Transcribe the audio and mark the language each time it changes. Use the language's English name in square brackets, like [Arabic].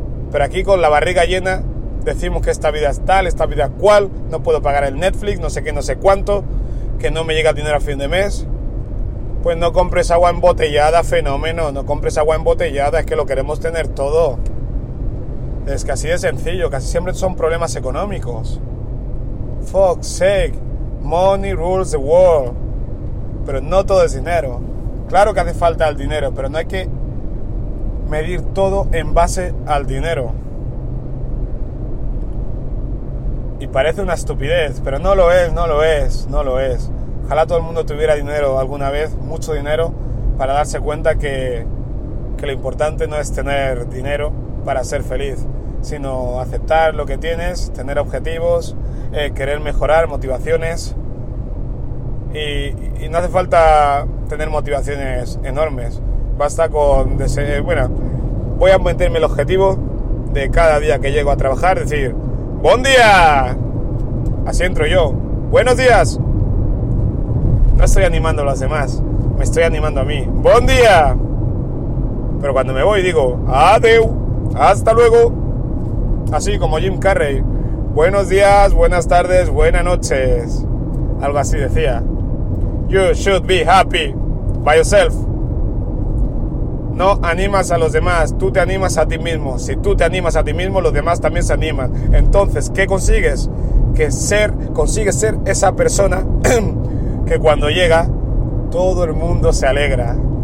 [Spanish] Pero aquí con la barriga llena decimos que esta vida es tal, esta vida es cual, no puedo pagar el Netflix, no sé qué, no sé cuánto, que no me llega el dinero a fin de mes. Pues no compres agua embotellada, fenómeno, no compres agua embotellada, es que lo queremos tener todo. Es que así de sencillo, casi siempre son problemas económicos. [English] Fuck's sake, money rules the world. [Spanish] Pero no todo es dinero. Claro que hace falta el dinero, pero no hay que medir todo en base al dinero. Y parece una estupidez, pero no lo es, no lo es, no lo es. Ojalá todo el mundo tuviera dinero alguna vez, mucho dinero, para darse cuenta que lo importante no es tener dinero para ser feliz, sino aceptar lo que tienes, tener objetivos, querer mejorar, motivaciones. Y no hace falta tener motivaciones enormes. Basta con voy a meterme el objetivo de cada día que llego a trabajar, decir ¡buen día! Así entro yo. ¡Buenos días! No estoy animando a los demás, me estoy animando a mí. ¡Buen día! Pero cuando me voy digo ¡adeu! ¡Hasta luego! Así como Jim Carrey. ¡Buenos días, buenas tardes, buenas noches! Algo así decía. [English] You should be happy by yourself. [Spanish] No animas a los demás, tú te animas a ti mismo. Si tú te animas a ti mismo, los demás también se animan. Entonces, ¿qué consigues? Consigues ser esa persona que cuando llega, todo el mundo se alegra.